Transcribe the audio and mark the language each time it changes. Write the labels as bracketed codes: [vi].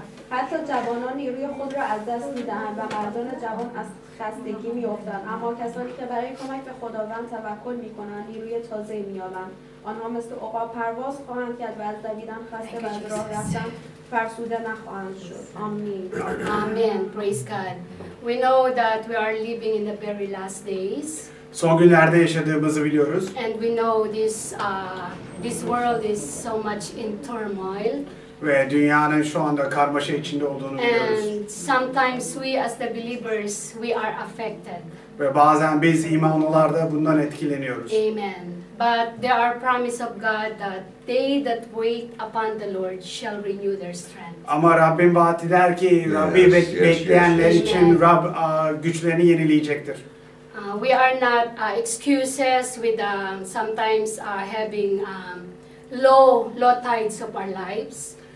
[fa] حتی جوانان نیروی خود را از دست می‌دهند و مردان جوان از خستگی می‌افتند. اما کسانی که برای کمک به خداوند توکل می‌کنند نیروی تازه می‌یابند. آنها مثل عقاب پرواز خواهند کرد و از دویدن خسته و از راه رفتن فرسوده نخواهند شد. آمین. آمین. [en] Praise God. We know that we are living in the very last days. [tr] Son günlerde yaşadığımızı biliyoruz. [en] And we know this world is so much in turmoil. [tr] Ve dünyanın şu anda karmaşa içinde olduğunu [en] and [tr] biliyoruz. [en] And sometimes we as the believers, we are affected. [tr] Ve bazen biz imanlılarda bundan etkileniyoruz. [en] Amen. But there are promise of God that they that wait upon the Lord shall renew their strength. [tr] Ama Rabbim vaat eder ki Rabbi bekleyenler için Rab güçlerini yenileyecektir. [en] We are not excuses with sometimes having low tides of our lives.